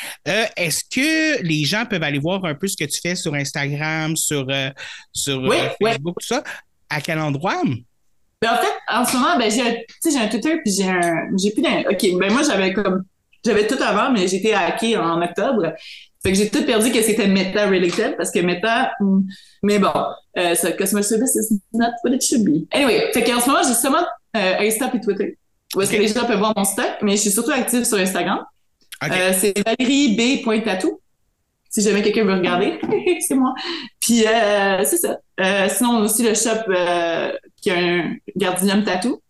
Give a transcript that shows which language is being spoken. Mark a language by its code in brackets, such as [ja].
[fr] Est-ce que les gens peuvent aller voir un peu ce que tu fais sur Instagram, sur Facebook, ouais. Tout ça? À quel endroit? Ben, en fait, en ce moment, ben, j'ai un Twitter, puis j'ai plus d'un... OK, ben moi, j'avais tout avant, mais j'ai été hacké en octobre. Fait que j'ai tout perdu que c'était Meta related, parce que Meta... Mais bon, ce [en] customer service is not what it should be. [fr] Anyway, fait qu'en ce moment, j'ai seulement... Insta et Twitter. Où est-ce que les gens peuvent voir mon stock, mais je suis surtout active sur Instagram. Okay. C'est valerieb.tatou. Si jamais quelqu'un veut regarder, c'est moi. Puis, c'est ça. Sinon, on a aussi le shop qui a un Gardinium Tatou.